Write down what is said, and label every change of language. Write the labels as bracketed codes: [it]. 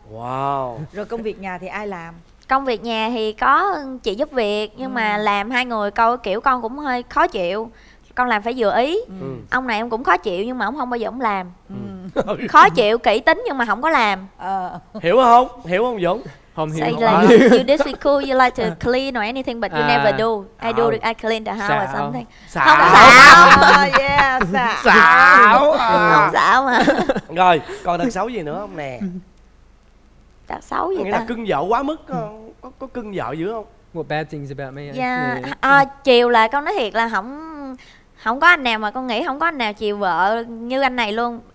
[vi] Wow. Rồi công việc nhà thì ai làm? Công việc nhà thì có chị giúp việc. Nhưng mà làm hai người câu kiểu con cũng hơi khó chịu. Con làm phải vừa ý. Ông này em cũng khó chịu nhưng mà ông không bao giờ ông làm. Khó chịu, kỹ tính nhưng mà không có làm. Hiểu không? Hiểu không Dũng? Không hiểu. [en] Say like, you disagree cool, you like to clean or anything but you never do. I do, I clean the house or something. [vi] Xạo. Không xạo. Yeah, xạo. Không xạo mà. Rồi, còn đợt xấu gì nữa không nè? Đợt xấu gì ta? Nghĩa là cưng vợ quá mức, có cưng vợ dữ không? [en] What bad things about me? [vi] Yeah, chiều là con nói thiệt là không... Không có anh nào mà con nghĩ không có anh nào chiều vợ như anh này luôn.